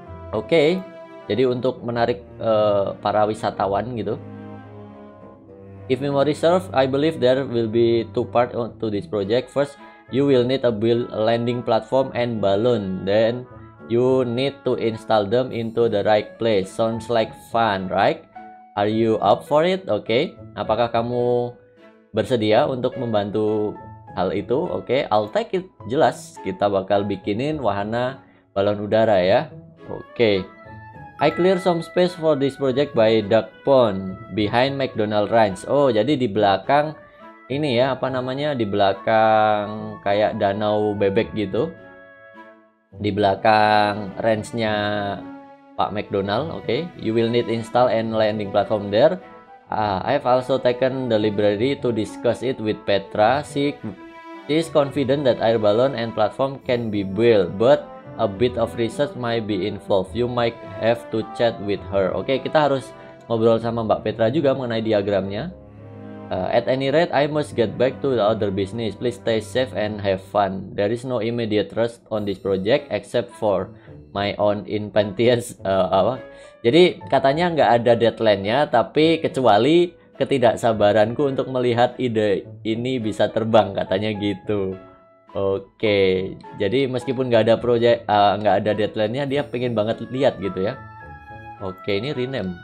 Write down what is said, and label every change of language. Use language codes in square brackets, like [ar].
[id] Oke, jadi untuk menarik para wisatawan gitu. [en] If memory serves, I believe there will be two part to this project. First, you will need to build a landing platform and balloon. Then you need to install them into the right place. Sounds like fun, right? Are you up for it? Oke. Okay. [id] Apakah kamu bersedia untuk membantu hal itu? Oke. Okay. [en] I'll take it. [id] Jelas. Kita bakal bikinin wahana balon udara ya. Oke. Okay. [en] I clear some space for this project by duck pond behind McDonald Ranch. [id] Oh, jadi di belakang ini ya, apa namanya? Di belakang kayak danau bebek gitu. Di belakang ranch-nya Pak McDonald, oke. Okay. [en] You will need install and landing platform there. I've also taken the library to discuss it with Petra. She is confident that air balloon and platform can be built, but a bit of research might be involved. You might have to chat with her. [id] Oke, okay, kita harus ngobrol sama Mbak Petra juga mengenai diagramnya. [en] At any rate, I must get back to the other business. Please stay safe and have fun. There is no immediate rush on this project except for my own impatience. [id] Jadi katanya nggak ada deadline-nya, tapi kecuali ketidaksabaranku untuk melihat ide ini bisa terbang, katanya gitu. Oke, jadi meskipun nggak ada project, nggak ada deadline-nya, dia pengen banget lihat gitu ya. Oke, ini rename.